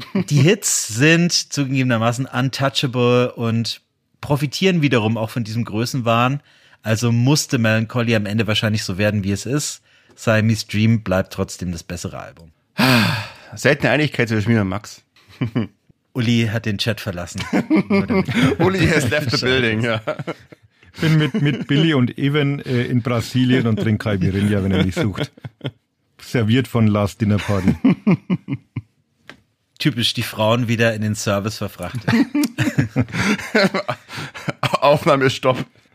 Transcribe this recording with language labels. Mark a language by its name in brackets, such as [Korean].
[German] Die Hits sind zugegebenermaßen untouchable und profitieren wiederum auch von diesem Größenwahn. Also musste Melancholy am Ende wahrscheinlich so werden, wie es ist. Siamese Dream bleibt trotzdem das bessere Album. Seltene Einigkeit zwischen mir und Max. Uli hat den Chat verlassen. [English] Uli has left the building, ja. [German] Bin mit Billy und Evan in Brasilien und trinke Caipirinha, wenn er mich sucht. Serviert von Last Dinner Party. Typisch, die Frauen wieder in den Service verfrachtet. Aufnahmestopp.